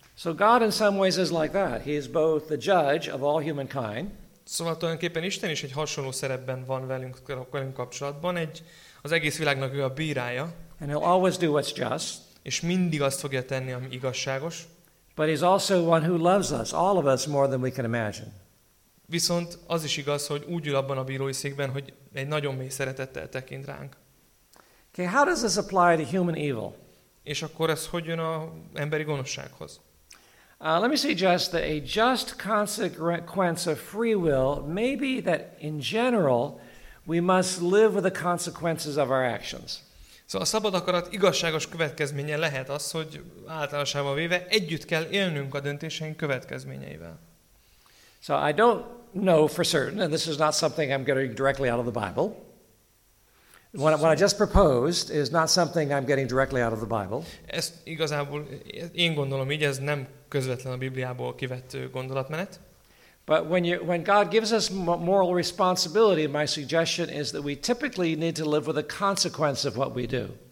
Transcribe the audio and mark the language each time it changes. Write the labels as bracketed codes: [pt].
[en] So God in some ways is like that. He is both the judge of all humankind. [hu] Szóval tulajdonképpen Isten is egy hasonló szerepben van velünk kapcsolatban, az egész világnak ő a bírája. [en] And he'll always do what's just. [hu] És mindig azt fogja tenni, ami igazságos. [en] But he's also one who loves us, all of us more than we can imagine. [hu] Viszont az is igaz, hogy úgy ül abban a bírói székben, hogy egy nagyon mély szeretettel tekint ránk. [en] Okay, how does this apply to human evil? [hu] És akkor ez hogy jön a emberi gonoszsághoz? [en] Let me suggest that a just consequence of free will may be that in general we must live with the consequences of our actions. [hu] Szóval a szabad akarat igazságos következménye lehet az, hogy általánosában véve együtt kell élnünk a döntéseink következményeivel. [en] So I don't know for certain, and this is not something I'm getting directly out of the Bible. What I just proposed is not something I'm getting directly out of the Bible. [hu] Ez igazából én gondolom így, ez nem közvetlen a Bibliából kivett gondolatmenet. [en] But when God gives us moral responsibility, my suggestion is that we typically need to live with the consequence of what we do.